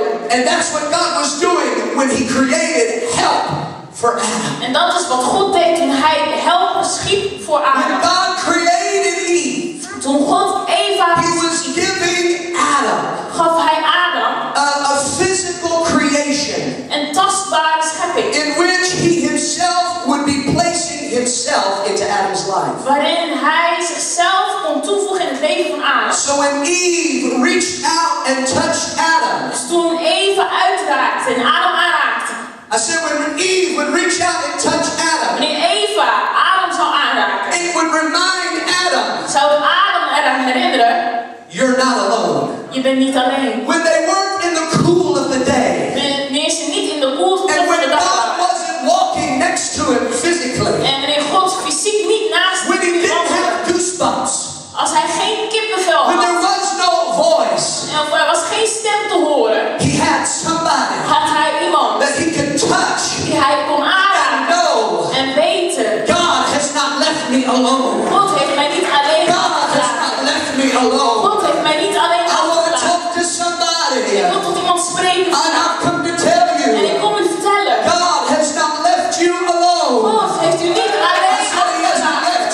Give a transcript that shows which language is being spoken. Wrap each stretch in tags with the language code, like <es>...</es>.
<en>And that's what God was doing when he created help for Adam.</en> <nl>En dat is wat God deed toen hij help schiep voor Adam.</nl> <en>When God created Eve,</en> <nl>toen God Eva,</nl> <en>he was giving Adam,</en> <nl>gaf hij Adam</nl> <en>a physical creation,</en> <nl>een tastbare schepping,</nl> <en>in which he himself would be placing himself into Adam's life.</en> <nl>Waarin hij zichzelf kon toevoegen in het leven van Adam.</nl> <en>So when Eve reached out and touched Adam,</en> <nl>dus toen Eva uitraakte en Adam aanraakte.</nl> <en>I said when Eve would reach out and touch Adam,</en> <nl>wanneer Eva Adam zou aanraken,</nl> <en>it would remind Adam,</en> <nl>zou Adam eraan herinneren,</nl> <en>you're not alone.</en> <nl>Je bent niet alleen.</nl> <en>When they weren't in the cool of the day,</en> <nl>wanneer ze niet in de koelte van de dag,</nl> <en>and when God wasn't walking next to him physically,</en> <nl>en wanneer God fysiek niet naast hem stond,</nl> <en>when he didn't have goosebumps,</en> <nl>als hij geen kippenvel had,</nl> <en>when there was no voice,</en> <nl>en er was geen stem te horen,</nl> <en>he had somebody,</en> <nl>had hij iemand,</nl> <en>that he could touch,</en> <nl>die hij kon aanraken,</nl> <en>and know,</en> <nl>en weten,</nl> <en>God has not left me alone,</en> <nl>God heeft mij niet alleen</nl> <en>gelaten, God has not left me alone,</en> <nl>God heeft mij niet alleen gelaten,</nl> <en>I want to talk to somebody,</en> <nl>ik wil tot iemand spreken,</nl> <en>and I've come to tell you,</en> <nl>en ik kom u vertellen,</nl> <en>God has not left you alone,</en> <nl>God heeft u niet alleen gelaten.</nl>